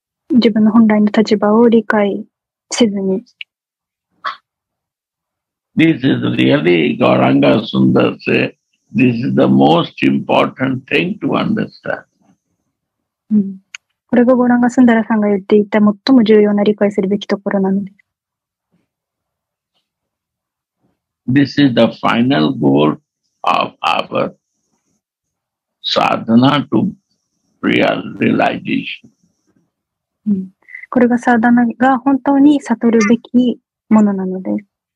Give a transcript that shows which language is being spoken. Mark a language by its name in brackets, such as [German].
[Japanese] 自分の本来の立場を理解。 [English] This is really Gauranga Sundar say, this is the most important thing to understand. [Japanese] これが Gauranga Sundar さんが言っていた最も重要な理解するべきところなのです。 [English] This is the final goal of our sadhana to real realization. [Japanese] これがサーダナが本当に悟るべきものなのです。